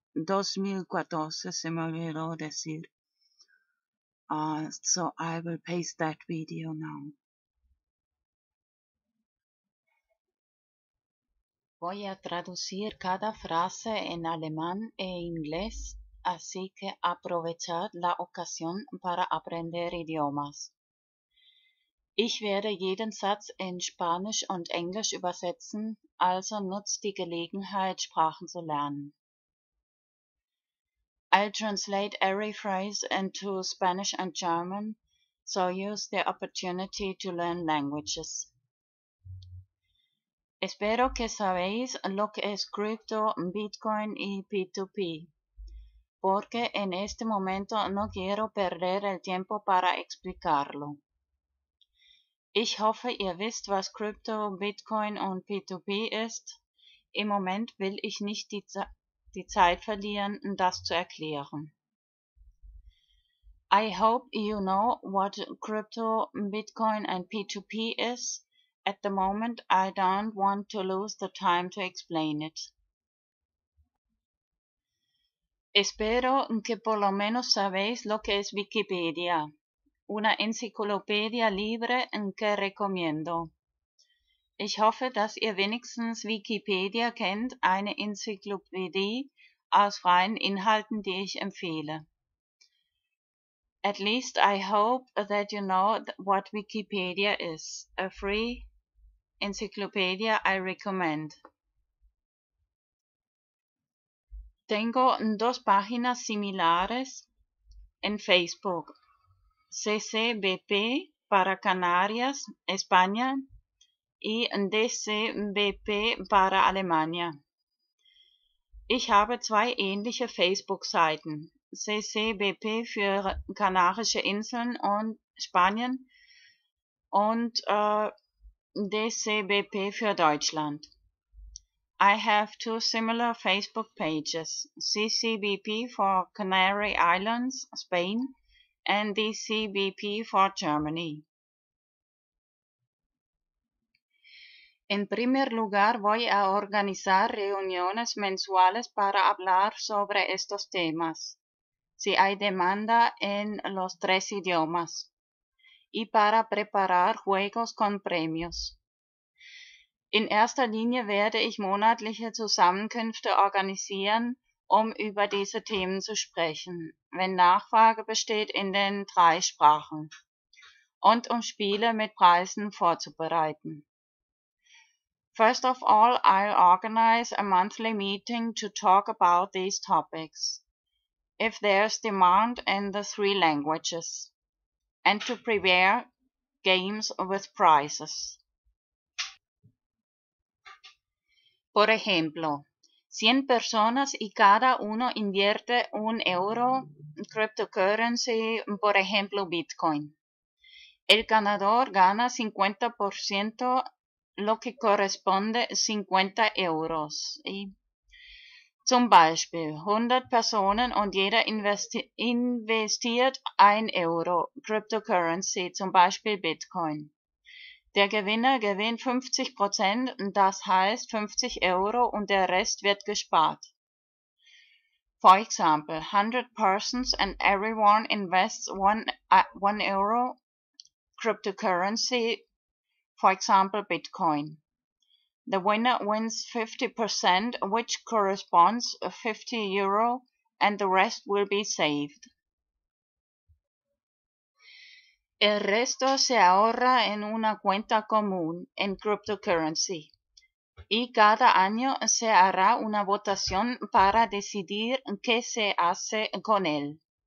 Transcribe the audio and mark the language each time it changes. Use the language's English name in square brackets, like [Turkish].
[English] 2014, [Spanish] se me olvidó decir. [English] So I will paste that video now. [Spanish] Voy a traducir cada frase en alemán e inglés, así que aprovechad la ocasión para aprender idiomas. [German] Ich werde jeden Satz in Spanisch und Englisch übersetzen, also nutzt die Gelegenheit, Sprachen zu lernen. [English] I'll translate every phrase into Spanish and German, so use the opportunity to learn languages. [Spanish] Espero que sabéis lo que es cripto, Bitcoin y P2P, porque en este momento no quiero perder el tiempo para explicarlo. [German] Ich hoffe, ihr wisst, was cripto, Bitcoin und P2P ist. Im Moment will ich nicht die Zeit verlieren, das zu erklären. [English] I hope you know what crypto, Bitcoin and P2P is. At the moment, I don't want to lose the time to explain it. [Spanish] Espero que por lo menos sabéis lo que es Wikipedia, una enciclopedia libre en que recomiendo. [German] Ich hoffe, dass ihr wenigstens Wikipedia kennt, eine Enzyklopädie aus freien Inhalten, die ich empfehle. [English] At least I hope that you know what Wikipedia is, a free encyclopedia I recommend. [Spanish] Tengo dos páginas similares en Facebook, CCBP para Canarias, España, y DCBP para Alemania. [German] Ich habe zwei ähnliche Facebook-Seiten, CCBP für Kanarische Inseln und Spanien und DCBP für Deutschland. [English] I have two similar Facebook pages, CCBP for Canary Islands, Spain, and DCBP for Germany. [Spanish] En primer lugar, voy a organizar reuniones mensuales para hablar sobre estos temas, si hay demanda en los tres idiomas, y para preparar juegos con premios. [German] In erster Linie werde ich monatliche Zusammenkünfte organisieren, um über diese Themen zu sprechen, wenn Nachfrage besteht in den drei Sprachen, und um Spiele mit Preisen vorzubereiten. [English] First of all, I'll organize a monthly meeting to talk about these topics, if there's demand in the three languages, and to prepare games with prizes. [Spanish] Por ejemplo, 100 personas y cada uno invierte un euro en cryptocurrency, por ejemplo Bitcoin. El ganador gana 50%. Lo que corresponde 50 euros. [German] Y zum Beispiel 100 Personen und jeder investiert 1 Euro Cryptocurrency, zum Beispiel Bitcoin. Der Gewinner gewinnt 50%, das heißt 50 Euro und der Rest wird gespart. [English] For example, 100 persons and everyone invests 1 Euro Cryptocurrency, for example, Bitcoin. The winner wins 50%, which corresponds to 50 euro, and the rest will be saved. [Spanish] El resto se ahorra en una cuenta común en cryptocurrency. Y cada año se hará una votación para decidir qué se hace con él.